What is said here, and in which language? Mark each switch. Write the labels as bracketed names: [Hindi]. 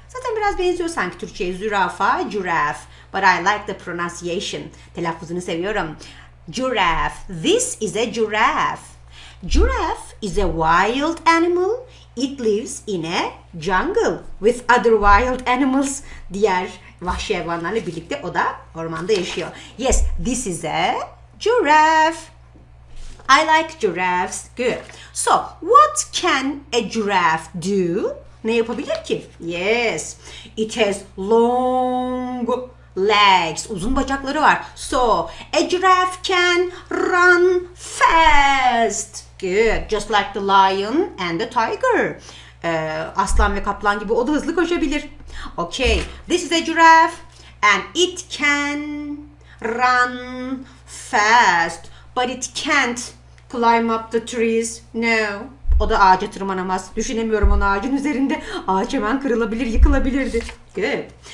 [Turkish] Zaten biraz benziyor sanki Türkçe'ye. Zürafa, giraffe. [English] But I like the pronunciation. [Turkish] Telaffuzunu seviyorum. [English] Giraffe. This is a giraffe. Giraffe is a wild animal. It lives in a jungle with other wild animals. [Turkish] Diğer vahşi hayvanlarla birlikte o da ormanda yaşıyor. [English] Yes, this is a giraffe. I like giraffes. Good. So, what can a giraffe do? [Turkish] Ne yapabilir ki? [English] Yes, it has long legs. [Turkish] Uzun bacakları var. [English] So, a giraffe can run fast. Good. Just like the lion and the tiger. [Turkish] Aslan ve kaplan gibi o da hızlı koşabilir. [English] Okay. This is a giraffe and it can run fast. But it can't climb up the trees. No. [Turkish] O da ağaca tırmanamaz. Düşünemiyorum onu ağacın üzerinde. Ağaç hemen kırılabilir, yıkılabilirdi. Good.